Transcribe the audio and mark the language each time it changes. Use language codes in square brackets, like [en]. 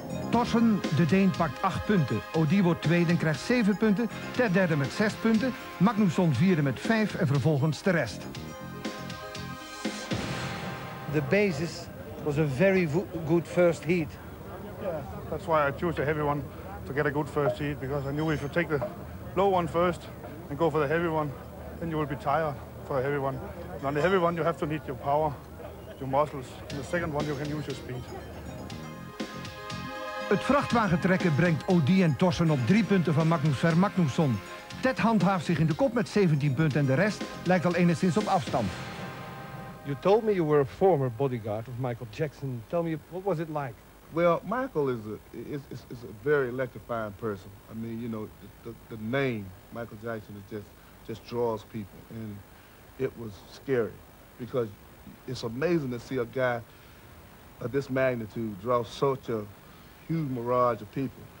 [nl] Torsen, de Deen, pakt 8 punten. Odie wordt tweede en krijgt 7 punten. Ted derde met 6 punten. Magnusson vierde met 5 en vervolgens de rest. [en] The basis was a very good first heat. Yeah, that's why I chose the heavy one to get a good first heat, because I knew if you take the low one first and go for the heavy one, then you will be tired for the heavy one. And on the heavy one you have to need your power, your muscles. In the second one you can use your speed. [nl] Het vrachtwagentrekken brengt Odie en Torsen op 3 punten van Magnus Ver Magnusson. Ted handhaaft zich in de kop met 17 punten en de rest lijkt al enigszins op afstand. [en] You told me you were a former bodyguard of Michael Jackson. Tell me, what was it like? Well, Michael is a very electrifying person. I mean, you know, the name Michael Jackson is just draws people. And it was scary because it's amazing to see a guy of this magnitude draw such a huge mirage of people.